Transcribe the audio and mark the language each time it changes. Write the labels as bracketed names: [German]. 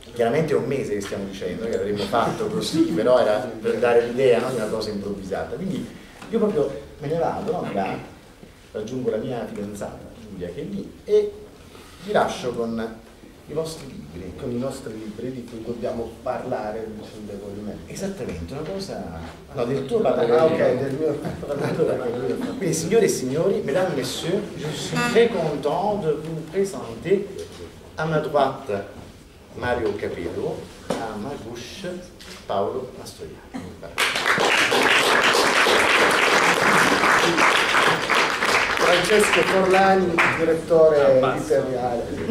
[Italian] Chiaramente è un mese che stiamo dicendo, che avremmo fatto così, però era per dare l'idea, no? Di una cosa improvvisata. Quindi io proprio me ne vado, no? Da, raggiungo la mia fidanzata Giulia che è lì e vi lascio con i vostri libri. Con i nostri libri di cui dobbiamo parlare, diciamo, di me. Esattamente, una cosa... No, del tuo padre. Ah, ok, del mio padre. [French] Quindi, [Italian] signore e signori, [French] mesdames et messieurs, je suis très content de vous présenter à ma droite Mario Capello, à ma gauche Paolo Mastroianni. [Italian] Francesco Forlani, direttore editoriale.